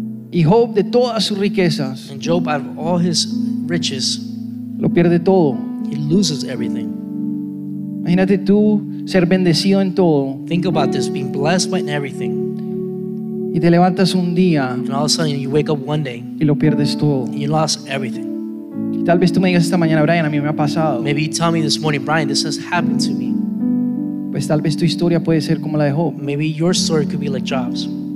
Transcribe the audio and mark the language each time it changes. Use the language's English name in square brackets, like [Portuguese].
[Spanish] Y Job, de todas sus riquezas, [English] and Job, out of all his riches, [Spanish] lo pierde todo. [English] He loses everything. [Spanish] Imagínate tú ser bendecido en todo. [English] Think about this, being blessed by everything. [Spanish] Y te levantas un día. [English] And all of a sudden you wake up one day. [Spanish] Y lo pierdes todo. [English] And you lost everything. [Spanish] Y tal vez tú me digas esta mañana, Brian, a mí me ha pasado. [English] Maybe you tell me this morning, Brian, this has happened to me. [Spanish] Pues tal vez tu historia puede ser como la de Job. [English] Maybe your story could be like Job's.